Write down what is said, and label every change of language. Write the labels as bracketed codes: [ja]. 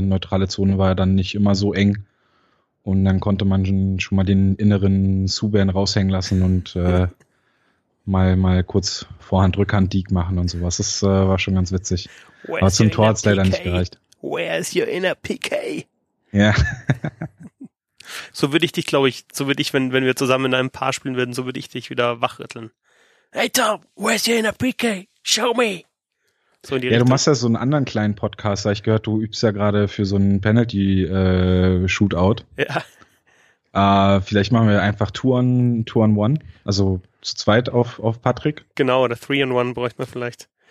[de] Neutrale Zone war dann nicht immer so eng. Und dann konnte man schon mal den inneren Subban raushängen lassen und mal kurz Vorhand, Rückhand, Deke machen und sowas. Das war schon ganz witzig. Where's aber zum Tor hat es leider nicht gereicht. [en] Where's your inner PK? Ja. Yeah. [de] wenn wir zusammen in einem Paar spielen würden, so würde ich dich wieder wachrütteln. [en] Hey Tom, where's your inner PK? Show me! [de] So in die Richtung. Du machst ja so einen anderen kleinen Podcast. Da ich gehört, du übst ja gerade für so einen Penalty-Shootout. Ja. Vielleicht machen wir einfach [en] two on one. [de] Also zu zweit auf Patrick. Genau, oder 3-on-1 bräuchte man vielleicht.